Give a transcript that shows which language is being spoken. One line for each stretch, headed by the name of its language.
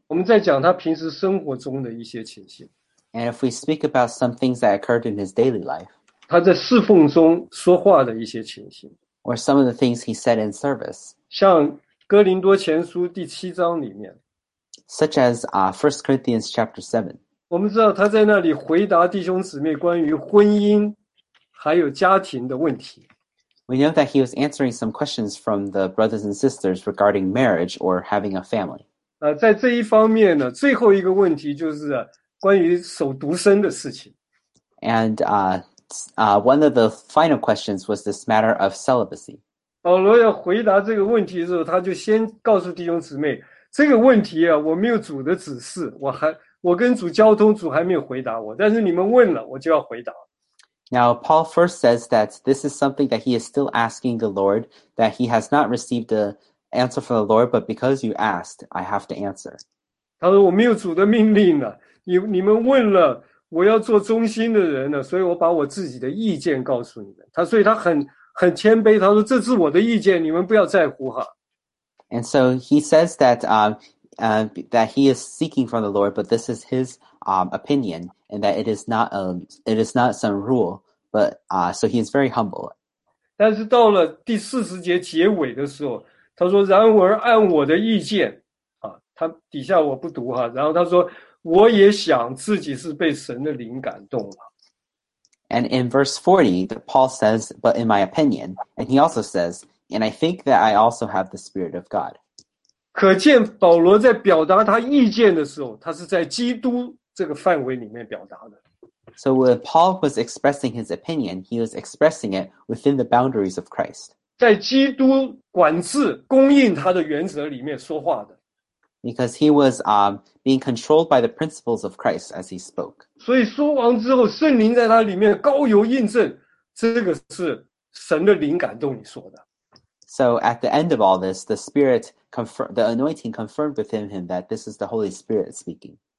Chinese: 我们在讲他平时生活中的一些情形。
English: And if we speak about some things that occurred in his daily life,
Chinese: 他在侍奉中说话的一些情形
English: or some of the things he said in service,
Chinese: 像哥林多前书第七章里面
English: such as 1 Corinthians chapter 7,
Chinese: 我们知道他在那里回答弟兄姊妹关于婚姻还有家庭的问题。
English: We know that he was answering some questions from the brothers and sisters regarding marriage or having a family.
Chinese: 在这一方面呢，最后一个问题就是关于守独身的事情。
English: And one of the final questions was this matter of celibacy.
Chinese: 保罗要回答这个问题的时候，他就先告诉弟兄姊妹，这个问题啊，我没有主的指示，我跟主交通，主还没有回答我，但是你们问了，我就要回答。
English: Now, Paul first says that this is something that he is still asking the Lord, that he has not received an answer from the Lord, but because you asked, I have to answer.
Chinese: 他说我没有主的命令了，你们问了，我要做忠心的人了，所以我把我自己的意见告诉你们。所以他很谦卑，他说这是我的意见，你们不要在乎哈。
English: And so he says that, that he is seeking from the Lord, but this is his opinion. And that it is not some rule, but so he is very humble.
Chinese: 但是到了第四十节结尾的时候，他说：“然而按我的意见，他底下我不读哈。然后他说，我也想自己是被神的灵感动了。”
English: And in verse 40, Paul says, "But in my opinion," and he also says, "And I think that I also have the Spirit of God."
Chinese: 可见保罗在表达他意见的时候，他是在基督。这个范围里面表达的。
English: So when Paul was expressing his opinion, he was expressing it within the boundaries of Christ.
Chinese: 在基督管制供应他的原则里面说话的。
English: Because he was being controlled by the principles of Christ as he spoke.
Chinese: 所以说完之后，圣灵在他里面膏油印证，这个是神的灵感动你说的。 So at the end of all this, the Spirit the anointing confirmed within him that this is the Holy Spirit speaking.